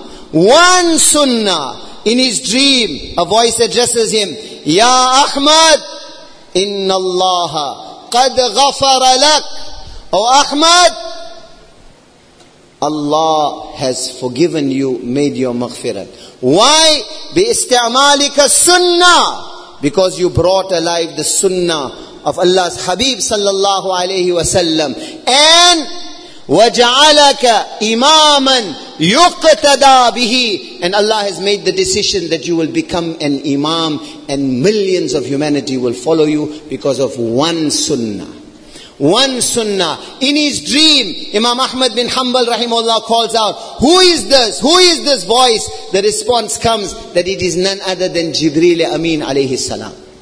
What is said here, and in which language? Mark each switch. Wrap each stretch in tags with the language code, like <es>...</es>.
<en>One sunnah in his dream, a voice addresses him.</en> <ar>Ya Ahmad, إِنَّ اللَّهَ قَدْ غَفَرَ لَكَ.</ar> <en>Oh Ahmad, Allah has forgiven you, made your maghfirat.</en> <ar>Why? بِإِسْتِعْمَالِكَ السُنَّةِ.</ar> <en>Because you brought alive the sunnah of Allah's Habib sallallahu alayhi wa sallam.</en> <ar>And وَجَعَلَكَ إِمَامًا يُقْتَدَى بِهِ.</ar> <en>And Allah has made the decision that you will become an imam and millions of humanity will follow you because of one sunnah. One sunnah. In his dream, Imam Ahmad bin Hanbal rahimahullah calls out, who is this? Who is this voice? The response comes that it is none other than Jibreel Amin alayhi salam.</en>